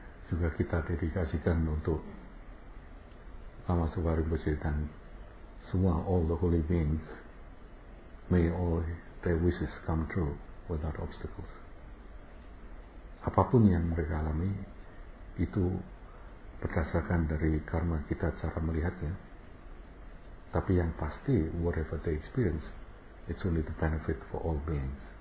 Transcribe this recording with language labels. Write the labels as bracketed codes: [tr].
[id] juga kita dedikasikan untuk Lama Subhari Bersih dan semua [en] all the holy beings. May all their wishes come true without obstacles. [id] Apapun yang mereka alami itu berdasarkan dari karma kita cara melihatnya. Tapi yang pasti, [en] whatever they experience, it's only the benefit for all beings.